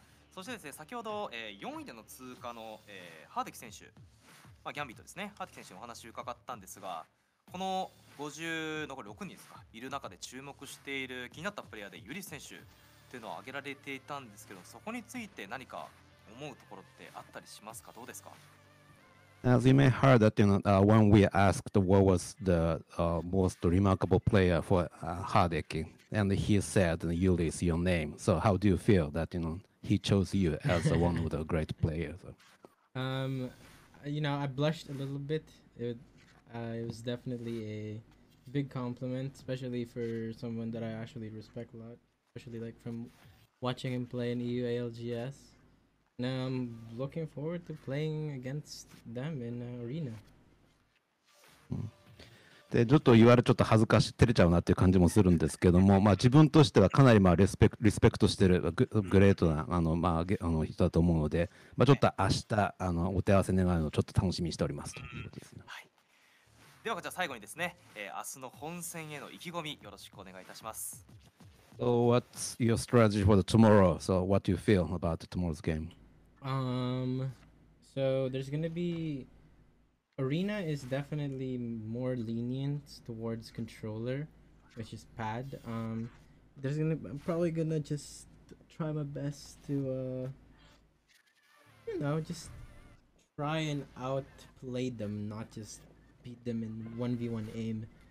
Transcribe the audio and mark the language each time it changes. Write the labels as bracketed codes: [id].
[ja] そしてですね、先ほど、4位での通過の、ハーデキ選手、まあ、ギャンビットですね、ハーデキ選手にお話を伺ったんですが、この50残り6人ですかいる中で注目している気になったプレイヤーでユリス選手、ていうのを挙げられていたんですけど、そこについて何か思うところってあったりしますか？どうですか？ [en] As you may have heard that, you know, when we asked what was the most remarkable player for Hideki, and he said, Yuri is your name. So how do you feel that, you know, he chose you as one of the great players? You know, I blushed a little bit. It was definitely a big compliment, especially for someone that I actually respect a lot, especially like from watching him play in EU ALGS. And I'm looking forward to playing against them in arena. [ja] でちょっと言われちょっと恥ずかしい、照れちゃうなっていう感じもするんですけども、まあ、自分としてはかなりまあリスペクトしてる グレートなあの、まあ、あの人だと思うので、まあ、ちょっと明日あのお手合わせ願うのをちょっと楽しみにしておりますということですね。はい、ではじゃあ最後にですね、明日の本戦への意気込みよろしくお願いいたします。 [en] So what's your strategy for the tomorrow? So what do you feel about tomorrow's game? So there's gonna beArena is definitely more lenient towards controller, which is pad. I'm probably gonna just try my best to, you know, just try and outplay them, not just beat them in 1v1 aim.